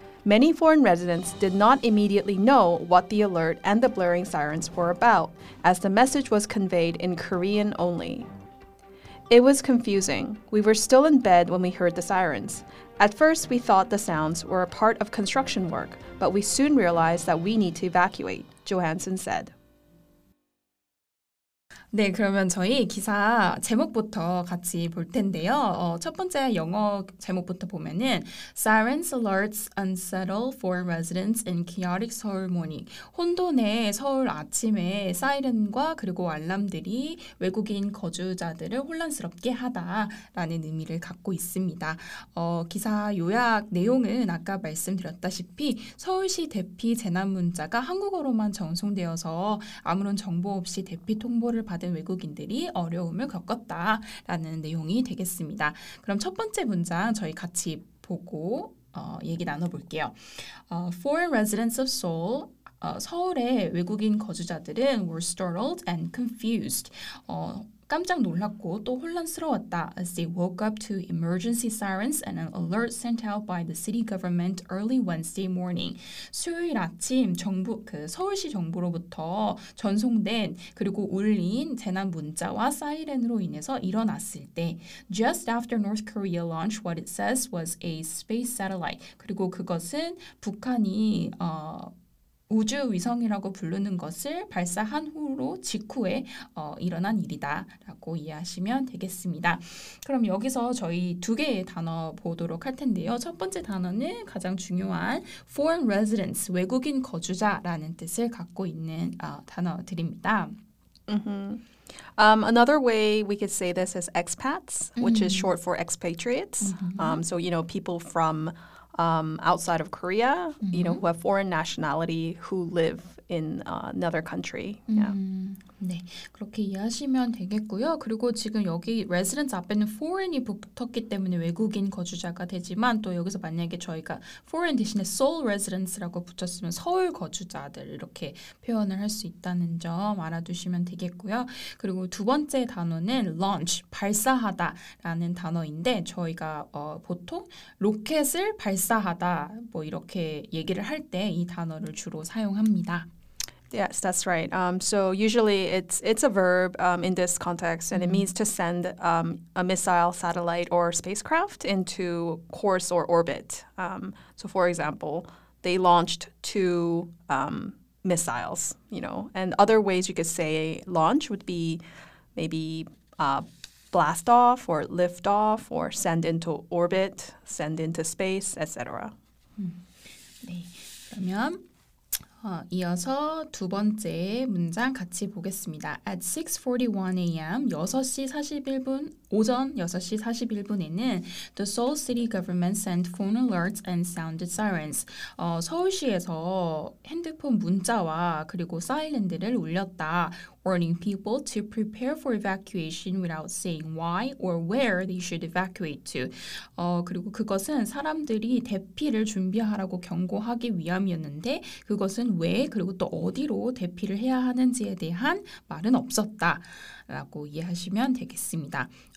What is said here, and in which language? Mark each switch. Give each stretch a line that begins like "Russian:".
English: many foreign residents did not immediately know what the alert and the blaring sirens were about, as the message was conveyed in Korean only. It was confusing. We were still in bed when we heard the sirens. At first, we thought the sounds were a part of construction work, but we soon realized that we need to evacuate, Johansson said.
Korean: 네, 그러면 저희 기사 제목부터 같이 볼 텐데요. 첫 번째 영어 제목부터 보면은
English: Sirens alerts unsettle foreign residents in chaotic Seoul morning.
Korean: 혼돈의 서울 아침에 사이렌과 그리고 알람들이 외국인 거주자들을 혼란스럽게 하다라는 의미를 갖고 있습니다. 기사 요약 내용은 아까 말씀드렸다시피 서울시 대피 재난 문자가 한국어로만 전송되어서 아무런 정보 없이 대피 통보를 받은 외국인들이 어려움을 겪었다라는 내용이 되겠습니다. 그럼 첫 번째 문장 저희 같이 보고 얘기 나눠볼게요.
English: Foreign residents of Seoul,
Korean: 서울의 외국인 거주자들은
English: were startled and confused.
Korean: 깜짝 놀랐고 또 혼란스러웠다.
English: As they woke up to emergency sirens and an alert sent out by the city government early Wednesday morning.
Korean: 수요일 아침 정부, 그 서울시 정부로부터 전송된 그리고 울린 재난 문자와 사이렌으로 인해서 일어났을 때
English: Just after North Korea launched what it says was a space satellite.
Korean: 그리고 그것은 북한이 우주 위성이라고 부르는 것을 발사한 후로 직후에 일어난 일이다라고 이해하시면 되겠습니다. 그럼 여기서 저희 두 개의 단어 보도록 할 텐데요. 첫 번째 단어는 가장 중요한 foreign residents, 외국인 거주자라는 뜻을 갖고 있는 단어들입니다. Mm-hmm.
English: Another way we could say this is expats, which is short for expatriates. So, you know, people from outside of Korea, mm-hmm. you know, who have foreign nationality, who live in another country. Yeah.
Korean: 네, 그렇게 이해하시면 되겠고요. 그리고 지금 여기 residents 앞에는 foreign이 붙었기 때문에 외국인 거주자가 되지만 또 여기서 만약에 저희가 foreign 대신에 Seoul residents라고 붙였으면 서울 거주자들 이렇게 표현을 할 수 있다는 점 알아두시면 되겠고요. 그리고 두 번째 단어는 launch, 발사하다라는 단어인데 저희가 보통 로켓을 발사하다 뭐 이렇게 얘기를 할 때 이 단어를 주로 사용합니다.
English: Yes, that's right. So usually it's a verb in this context, and it means to send a missile, satellite, or spacecraft into course or orbit. So for example, they launched two missiles, you know. And other ways you could say launch would be maybe blast off or lift off or send into orbit, send into space, etc.
Korean: 네, 그러면 이어서 두 번째 문장 같이 보겠습니다.
English: At 6:41 a.m.,
Korean: 6시 41분, 오전 6시 41분에는
English: the Seoul City Government sent phone alerts and sounded sirens.
Korean: 서울시에서 핸드폰 문자와 그리고 사이렌들을 울렸다.
English: Warning people to prepare for evacuation without saying why or where they should evacuate to.
Korean: 그리고 그것은 사람들이 대피를 준비하라고 경고하기 위함이었는데 그것은 왜 그리고 또 어디로 대피를 해야 하는지에 대한 말은 없었다. 라고 이해하시면 되겠습니다.